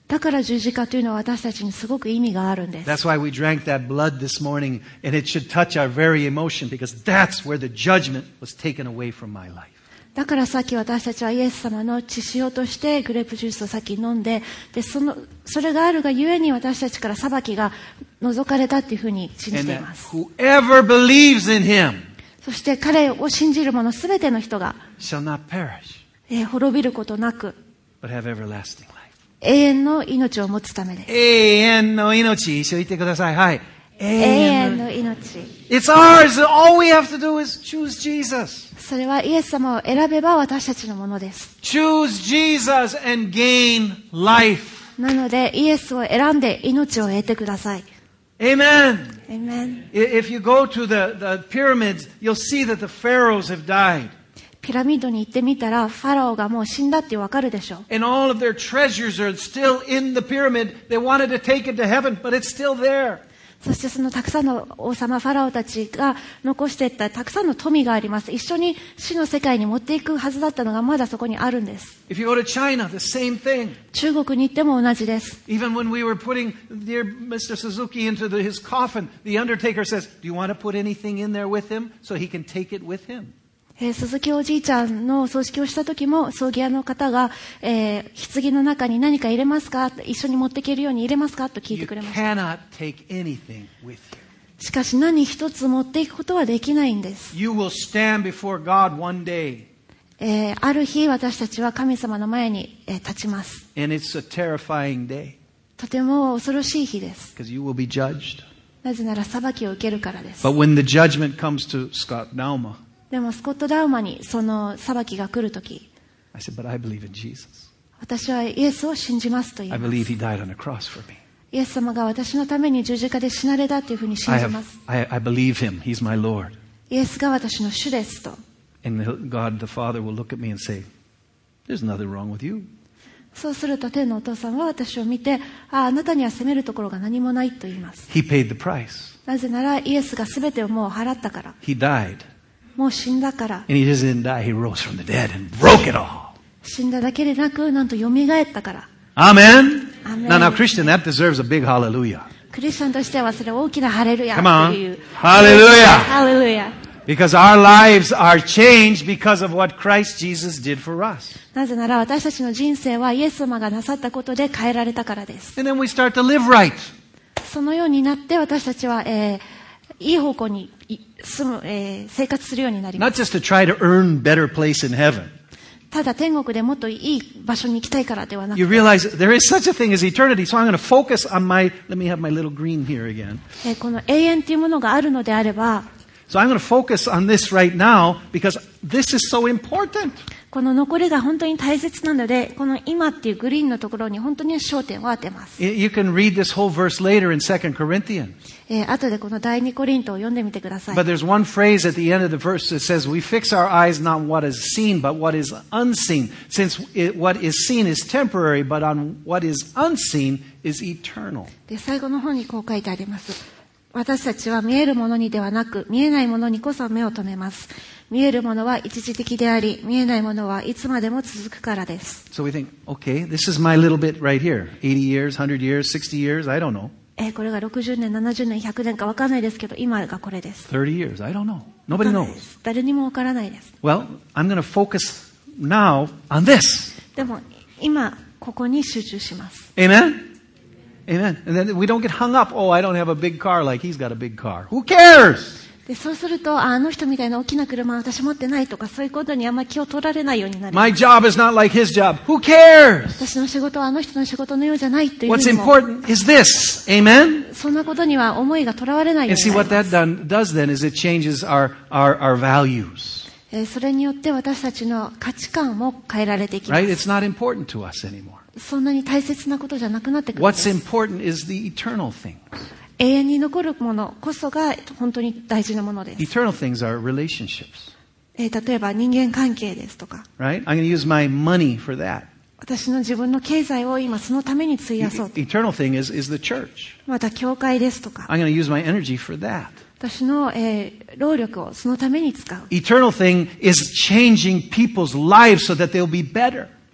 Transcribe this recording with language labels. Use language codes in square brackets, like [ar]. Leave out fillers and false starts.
[ja] だから十字架というのは私たちにすごく意味があるんです。 [en] That's why we drank that blood this morning, and it should touch our very emotion because that's where the judgment was taken away from my life. [ja] だからさっき私たちはイエス様の血潮としてグレープジュースをさっき飲んで、で、それがあるがゆえに私たちから裁きが除かれたっていうふうに信じています。 [en] Whoever believes in him, [ja] そして彼を信じる者すべての人が、 [en] shall not perish, [ja] 滅びることなく、 [en] but have everlasting life. [ja] 永遠の命を持つためです。永遠の命、一緒に言ってください。はい。永遠の命。 [en] It's ours. All we have to do is choose Jesus. [ja] それはイエス様を選べば私たちのものです。 [en] Choose Jesus and gain life. [ja] なのでイエスを選んで命を得てください。 [en] Amen. Amen. If you go to the pyramids, you'll see that the pharaohs have died. [ja] ピラミッドに行ってみたらファラオがもう死んだってわかるでしょう。 [en] And all of their treasures are still in the pyramid. They wanted to take it to heaven, but it's still there. [ja] そしてそのたくさんの王様ファラオたちが残していったたくさんの富があります。一緒に死の世界に持っていくはずだったのがまだそこにあるんです。 [en] If you go to China, the same thing. [ja] 中国に行っても同じです。 [en] Even when we were putting dear Mr. Suzuki into his coffin, the undertaker says, do you want to put anything in there with him so he can take it with him? [ja] 鈴木おじいちゃんの葬式をした時も葬儀屋の方が、棺の中に何か入れますか、一緒に持っていけるように入れますかと聞いてくれました。 [en] You cannot take anything with you. [ja] しかし何一つ持っていくことはできないんです。 [en] You will stand before God one day. [ja] ある日私たちは神様の前に、立ちます。 [en] And it's a terrifying day. [ja] とても恐ろしい日です。 [en] Because you will be judged. [ja] なぜなら裁きを受けるからです。 [en] But when the judgment comes to Scott Nauma, [ja] でもスコット・ダウマにその裁きが来るとき、 [en] I said, but I believe in Jesus. [ja] 私はイエスを信じますと言います。 [en] I believe he died on a cross for me. [ja] イエス様が私のために十字架で死なれたというふうに信じます。 [en] I believe him. He's my Lord. [ja] イエスが私の主ですと。 [en] And God the Father will look at me and say, there's nothing wrong with you. [ja] そうすると天のお父さんは私を見て、あ、あなたには責めるところが何もないと言います。 [en] He paid the price. [ja] なぜならイエスが全てをもう払ったから。 [en] He died. [ja] もう死んだから。 [en] And he didn't die, he rose from the dead and broke it all. [ja] 死んだだけでなく、なんと蘇ったから。 [en] Amen. Amen. Now, Christian, that deserves a big hallelujah. [ja] クリスチャンとしてはそれ大きなハレルヤ。 [en] Come on. Hallelujah. Hallelujah. Because our lives are changed because of what Christ Jesus did for us. [ja] なぜなら私たちの人生はイエス様がなさったことで変えられたからです。 [en] And then we start to live right. [ja] そのようになって私たちは、いい方向に住む、生活するようになります。 [en] Not just to try to earn better place in heaven. [ja] ただ天国でもっといい場所に行きたいからではなくて、 [en] You realize there is such a thing as eternity, so I'm going to focus on my. Let me have my little green here again. [ja] この永遠というものがあるのであれば、 [en] So I'm going to focus on this right now because this is so important. [ja] この残りが本当に大切なので、この今っていうグリーンのところに本当に焦点を当てます。 [en] You can read this whole verse later in 2 Corinthians. [ja] 後でこの第2コリントを読んでみてください。 [en] But there's one phrase at the end of the verse that says, "We fix our eyes not what is seen, but what is unseen, since what is seen is temporary, but on what is unseen is eternal." [ja] で、最後の方にこう書いてあります。私たちは見えるものにではなく、見えないものにこそ目を留めます。見えるものは一時的であり、見えないものはいつまでも続くからです。 [en] So we think, okay, this is my little bit right here. 80 years, 100 years, 60 years, I don't know. [ja] これが60年、70年、100年か分からないですけど、今がこれです。 [en] 30 years, I don't know. Nobody knows. [ja] 誰にも分からないです。 [en] Well, I'm going to focus now on this. [ja] でも、今、ここに集中します。 [en] Amen? Amen. And then we don't get hung up. Oh, I don't have a big car like he's got a big car. Who cares? [ja] で、そうすると、あの人みたいな大きな車は私持ってないとか、そういうことにあんまり気を取られないようになる。 [en] My job is not like his job. Who cares? [ja] 私の仕事はあの人の仕事のようじゃないというのも。 [en] What's important is this. Amen. [ja] そんなことには思いがとらわれないようになります。 [en] And see what that does then is it changes our values. [ja] それによって私たちの価値観も変えられていきます。 [en] Right? It's not important to us anymore. [ja] そんなに大切なことじゃなくなってくるんです。 [en] What's important is the eternal thing. [ja] 永遠に残るものこそが本当に大事なものです。 [en] Eternal things are relationships. [ja] 例えば人間関係ですとか。 [en] Right? I'm going to use my money for that. [ja] 私の自分の経済を今そのために費やそうと。 [en] Eternal thing is the church. [ja] また教会ですとか。 [en] I'm going to use my energy for that. [ja] 私の、労力をそのために使う。 [en] Eternal thing is changing people's lives so that they'll be better.